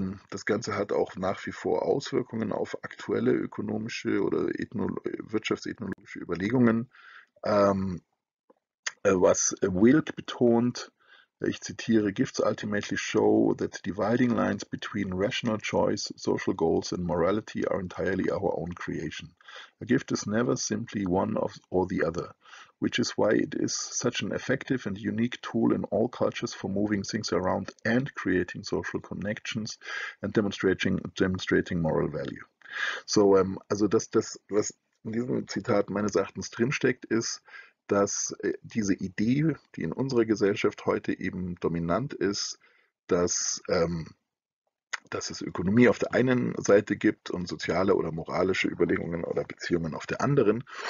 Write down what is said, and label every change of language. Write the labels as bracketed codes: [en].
[de] Das Ganze hat auch nach wie vor Auswirkungen auf aktuelle ökonomische oder wirtschaftsethnologische Überlegungen. Was Wilk betont, ich zitiere, [en] "Gifts ultimately show that the dividing lines between rational choice, social goals and morality are entirely our own creation. A gift is never simply one of or the other, which is why it is such an effective and unique tool in all cultures for moving things around and creating social connections and demonstrating moral value." [de] So, also das, was in diesem Zitat meines Erachtens drinsteckt, ist, dass diese Idee, die in unserer Gesellschaft heute eben dominant ist, dass dass es Ökonomie auf der einen Seite gibt und soziale oder moralische Überlegungen oder Beziehungen auf der anderen.